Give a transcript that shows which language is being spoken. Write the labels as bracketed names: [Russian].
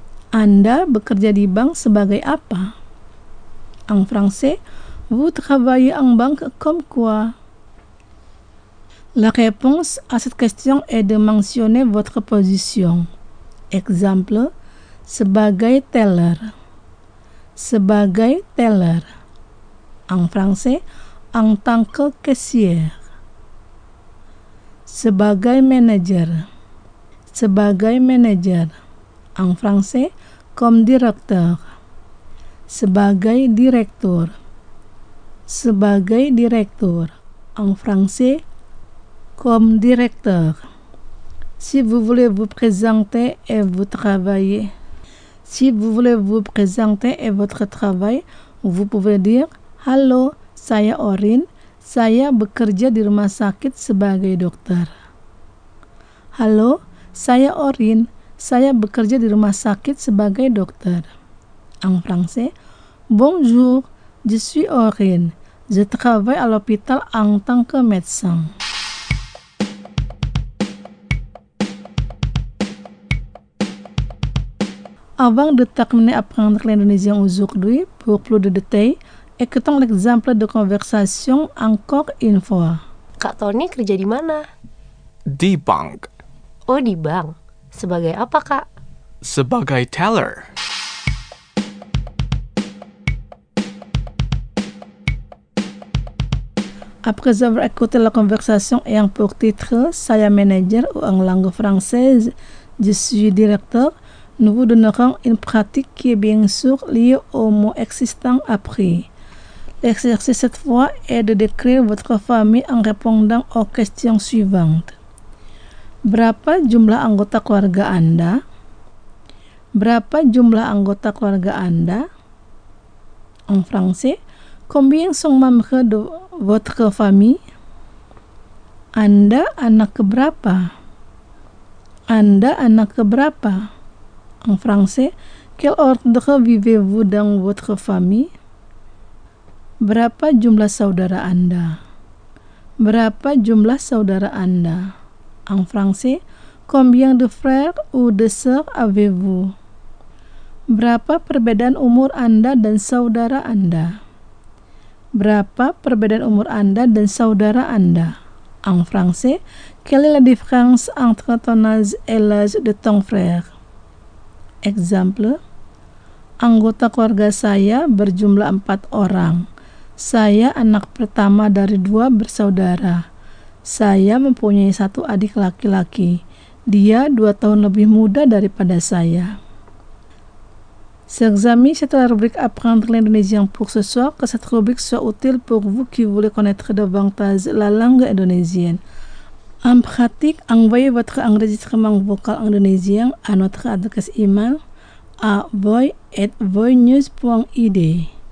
[Indonesian] Anda bekerja di bank sebagai apa? [French] En français, vous travaillez en banque comme quoi? La réponse à cette question est de mentionner votre position. [Indonesian] Exemple, sebagai teller. Sebagai teller. [French] En français, en tant que caissier. [Indonesian] Sebagai manager. Sebagai manager. [French] En français, comme directeur. [Indonesian] Sebagai directeur. Sebagai directeur. [French] En français, comme directeur. Si vous voulez vous présenter et vous travaillez, si vous voulez vous présenter et votre travail, vous pouvez dire [Indonesian] Halo, saya Orin. Saya bekerja di rumah sakit sebagai dokter. Halo, saya Orin. Saya bekerja di rumah sakit sebagai dokter. [French] En français, bonjour, je suis Orin. Je travaille à l'hôpital en tant que médecin. Avant de terminer apprendre l'indonésien aujourd'hui, pour plus de détails, écoutons l'exemple de conversation encore une fois. [Indonesian] Kak Tony kerja di mana? Di bank. Oh, di bank. Sebagai apa, Kak? Sebagai teller. [French] Après avoir écouté la conversation ayant pour titre « [Indonesian] Saya manager [French] » ou en langue française, je suis directeur, nous vous donnerons une pratique qui est bien sûr liée au mot existant appris. L'exercice cette fois est de décrire votre famille en répondant aux questions suivantes. [Indonesian] Berapa jumlah anggota keluarga Anda? Berapa jumlah anggota keluarga Anda? [French] En français, combien sont membres de votre famille? [Indonesian] Anda anak keberapa? Anda anak keberapa? [French] En français, quel ordre vivez-vous dans votre famille? [Indonesian] Berapa jumlah saudara Anda? Berapa jumlah saudara Anda? [French] En français, combien de frères ou de sœurs avez-vous? [Indonesian] Berapa perbedaan umur Anda dan saudara Anda? Berapa perbedaan umur Anda dan saudara Anda? [French] En français, quelle est la différence entre ton âge et l'âge de ton frère? [Indonesian] Exemple, anggota keluarga saya berjumlah 4 orang. Saya anak pertama dari 2 bersaudara. Saya mempunyai 1 adik laki-laki. Dia 2 tahun lebih muda daripada saya. [French] S'examiner cette rubrique apprendre l'indonésien pour ce soir, que cette rubrique soit utile pour vous qui voulez connaître davantage la langue indonésienne. En pratique, envoyez votre enregistrement vocal indonésien à notre adresse email avoy@voynews.id.